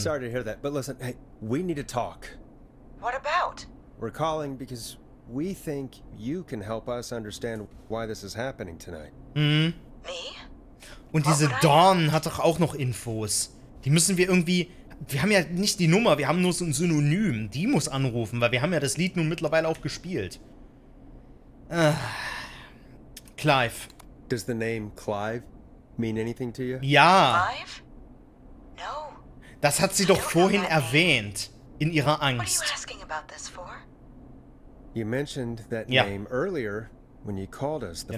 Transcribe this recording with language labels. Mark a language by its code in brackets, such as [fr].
[en] Sorry to hear that, but listen, hey, we need to talk. What about? We're calling because we think you can help us understand why this is happening tonight. Mhm. Me? [de] Und diese Dawn hat doch auch noch Infos. Die müssen wir irgendwie... Wir haben ja nicht die Nummer, wir haben nur so ein Synonym. Die muss anrufen, weil wir haben ja das Lied nun mittlerweile auch gespielt. [en] Clive. Does the name Clive mean anything to you? [de] Ja. [en] Clive? No. [de] Das hat sie doch vorhin erwähnt. In ihrer Angst. [en] What are you asking about this for? You mentioned that name earlier when you called us the